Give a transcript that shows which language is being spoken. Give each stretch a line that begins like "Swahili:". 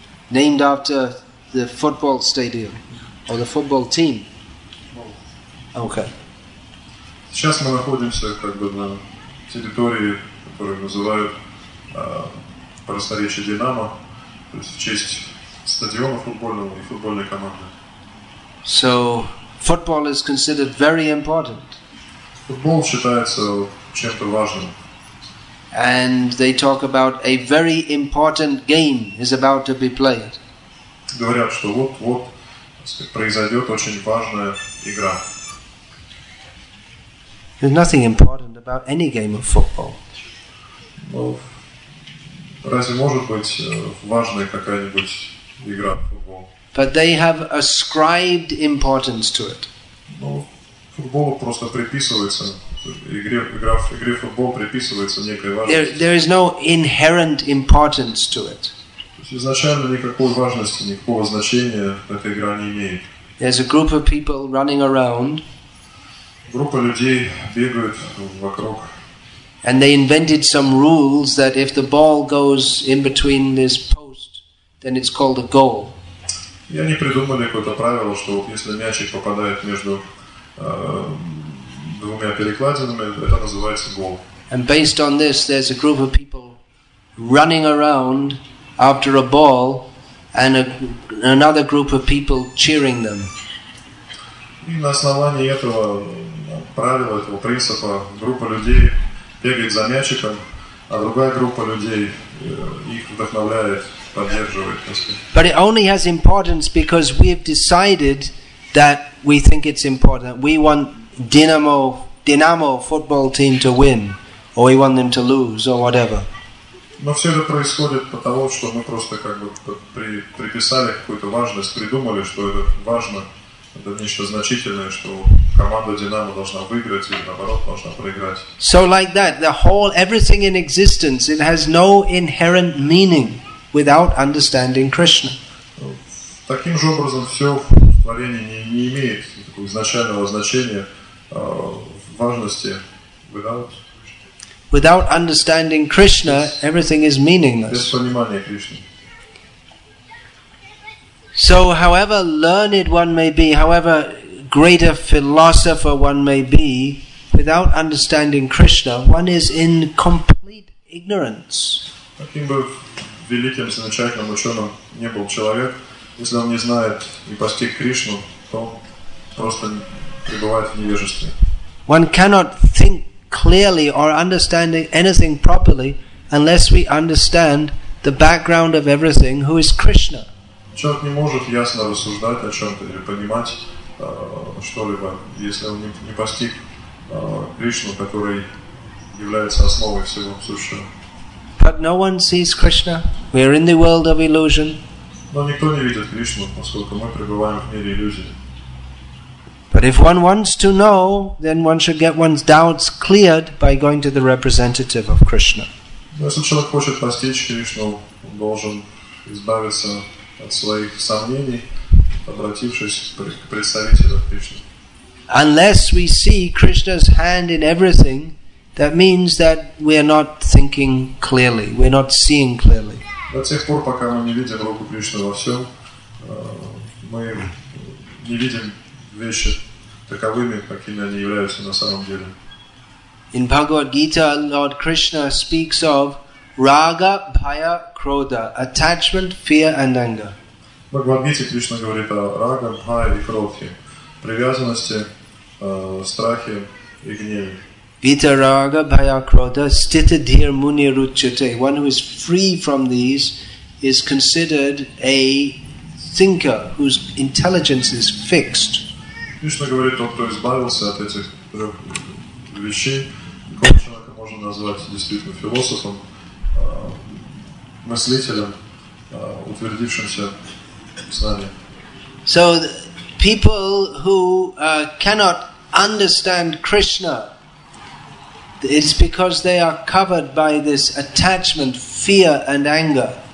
English: Named after the football stadium or the football team. Okay.
Russian: Сейчас мы находимся как бы на территории, которую называют просторечие Динамо, то есть в честь стадиона футбольного и футбольной команды.
English: So football is considered very important.
Russian: Футбол считается чем-то важным.
English: And they talk about a very important game is about to be played.
Russian: Говорят, что вот-вот произойдет очень важная игра.
English: There's nothing important about any game of football.
Russian: Разве может быть важная какая-нибудь игра в футбол?
English: But they have ascribed importance to it.
Russian: Ну, футбол просто приписывается игре в футбол приписывается некая важность.
English: There is no inherent importance to it.
Russian: То есть изначально никакой важности, никакого значения эта игра не имеет.
English: There's a group of people running around.
Russian: Группа людей бегают вокруг.
English: And they invented some rules that if the ball goes in between this post, then it's called a goal.
Russian: И они придумали какое-то правило, что вот если мячик попадает между двумя перекладинами, это называется гол.
English: And based on this, there's a group of people running around after a ball and another group of people cheering them.
Russian: И на основании этого правила, этого принципа, группа людей бегает за мячиком, а другая группа людей их вдохновляет, поддерживает.
English: But it only has importance because we have decided that we think it's important. We want Dynamo football team to win, or we want them to lose, or whatever.
Russian: Но все это происходит потому, что мы просто как бы приписали какую-то важность, придумали, что это важно. Это нечто значительное, что команда Динамо должна выиграть или наоборот должна проиграть.
English: So like that, the whole, everything in existence, it has no inherent meaning without understanding Krishna.
Russian: Таким же образом все в творении не имеет такого изначального значения, важности
English: without understanding Krishna, everything is meaningless.
Russian: Без понимания Кришны.
English: So, however learned one may be, however great a philosopher one may be, without understanding Krishna, one is in complete ignorance.
Russian: Каким бы великим, замечательным ученым не был человек, если он не знает и постиг Кришну, то он просто пребывает в невежестве.
English: One cannot think clearly or understand anything properly unless we understand the background of everything, who is Krishna.
Russian: Человек не может ясно рассуждать о чем-то или понимать, что-либо, если он не постиг Кришну, который является основой всего сущего.
English: But no one sees Krishna. We are in the world of illusion.
Russian: Но никто не видит Кришну, поскольку мы пребываем в мире иллюзий.
English: But if one wants to know, then one should get one's doubts cleared by going to the representative of Krishna.
Russian: Но если человек хочет постичь Кришну, он должен избавиться от своих сомнений, обратившись к представителю Кришны.
English: Unless we see Krishna's hand in everything, that means that we are not thinking clearly, we are not seeing clearly.
Russian: До тех пор, пока мы не видим руку Кришны во всем, мы не видим вещи таковыми, какими они являются на самом деле.
English: In Bhagavad Gita, Lord Krishna speaks of raga, bhaya, krodha, attachment, fear and anger.
Russian: Bhagavad Gita, Krishna говорит о рага, бхая и кродхе, привязанности, страхе и гневе.
Sanskrit: Vita raga bhaya krodha stita dhir muni ruchyate.
English: One who is free from these is considered a thinker whose intelligence is fixed.
Russian: Кришна говорит, тот, кто избавился от этих трех вещей, какого человека можно назвать действительно философом, мыслителем, утвердившимся с нами.
English: So people who cannot understand Krishna, it's because they are covered by this attachment, fear and anger.